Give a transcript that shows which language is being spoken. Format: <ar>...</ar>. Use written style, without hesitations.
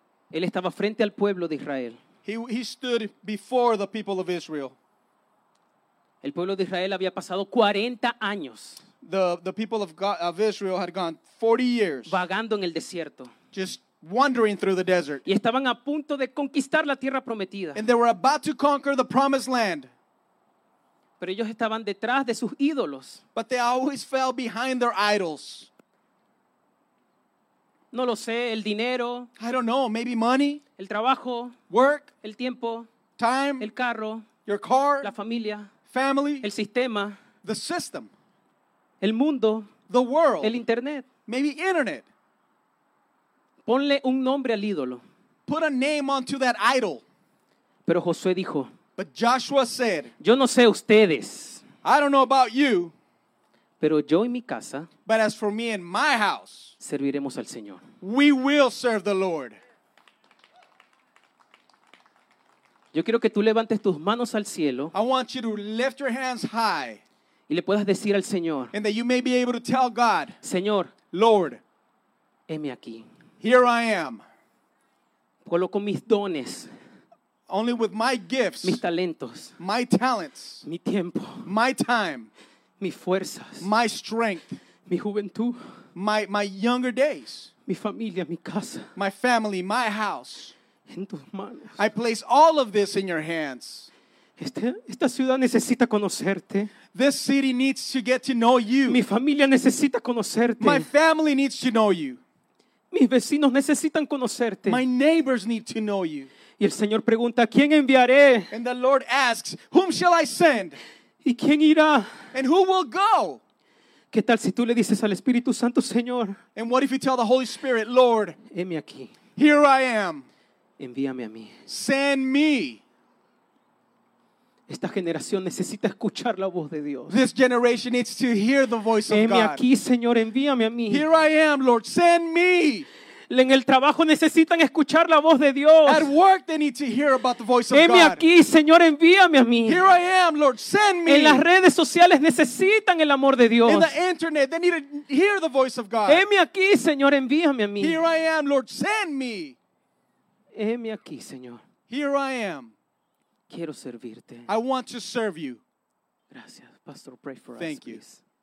<es>Él estaba frente al pueblo de Israel.</es> <en>He stood before the people of Israel.</en> <es>El pueblo de Israel había pasado 40 años.</es> <en>The people of God, of Israel had gone 40 years</en> <es>vagando en el desierto.</es> <en>Just wandering through the desert.</en> <es>Y estaban a punto de conquistar la tierra prometida.</es> <en>And they were about to conquer the promised land.</en> <es>Pero ellos estaban detrás de sus ídolos.</es> <en>But they always fell behind their idols.</en> <es>No lo sé, el dinero.</es> <en>I don't know, maybe money.</en> <es>El trabajo.</es> <en>Work.</en> <es>El tiempo.</es> <en>Time.</en> <es>El carro.</es> <en>Your car.</en> <es>La familia.</es> <en>Family.</en> <es>El sistema.</es> <en>The system.</en> <es>El mundo.</es> <en>The world.</en> <es>El internet.</es> <en>Maybe internet.</en> <es>Ponle un nombre al ídolo.</es> <en>Put a name onto that idol.</en> <es>Pero Josué dijo.</es> <en>But Joshua said.</en> <es>Yo no sé ustedes.</es> <en>I don't know about you.</en> <es>Pero yo y mi casa.</es> <en>But as for me and my house.</en> <es>Serviremos al Señor.</es> <en>We will serve the Lord.</en> <es>Yo quiero que tú levantes tus manos al cielo.</es> <en>I want you to lift your hands high.</en> <es>Y le puedas decir al Señor.</es> <en>And that you may be able to tell God.</en> <es>Señor.</es> <en>Lord.</en> <es>Heme aquí.</es> <en>Here I am.</en> <es>Coloco mis dones.</es> <en>Only with my gifts.</en> <es>Mis talentos.</es> <en>My talents.</en> <es>Mi tiempo.</es> <en>My time.</en> <es>Mis fuerzas.</es> <en>My strength.</en> <es>Mi juventud.</es> <en>My younger days.</en> <es>Mi familia, mi casa.</es> <en>My family, my house.</en> <es>En tus manos.</es> <en>I place all of this in your hands.</en> <es>Esta ciudad necesita conocerte.</es> <en>This city needs to get to know you.</en> <es>Mi familia necesita conocerte.</es> <en>My family needs to know you.</en> <es>Mis vecinos necesitan conocerte.</es> <en>My neighbors need to know you.</en> <es>Y el Señor pregunta, ¿quién enviaré?</es> <en>And the Lord asks, whom shall I send?</en> <es>¿Y quién irá?</es> <en>And who will go?</en> <es>¿Qué tal si tú le dices al Espíritu Santo, Señor?</es> <en>And what if you tell the Holy Spirit, Lord?</en> <es>Heme aquí.</es> <en>Here I am.</en> <es>Envíame a mí.</es> <en>Send me.</en> <es>Esta generación necesita escuchar la voz de Dios.</es> <en>This generation needs to hear the voice of God.</en> <es>Heme aquí, Señor, envíame a mí.</es> <en>Here I am, Lord, send me.</en> <es>En el trabajo necesitan escuchar la voz de Dios.</es> <en>At work they need to hear about the voice of</en> <es>Heme</es> <en>God.</en> <es>Aquí, Señor, envíame a mí.</es> <en>Here I am, Lord, send me.</en> <es>En las redes sociales necesitan el amor de Dios.</es> <en>In the internet they need to hear the voice of God.</en> <es>Heme aquí, Señor, envíame a mí.</es> <en>Here I am, Lord, send me.</en> <es>Heme aquí, Señor.</es> <en>Here I am.</en> <es>Quiero servirte.</es> <en>I want to serve you.</en> <es>Gracias, Pastor.</es> <en>Pray for Thank us, you. Please.</en>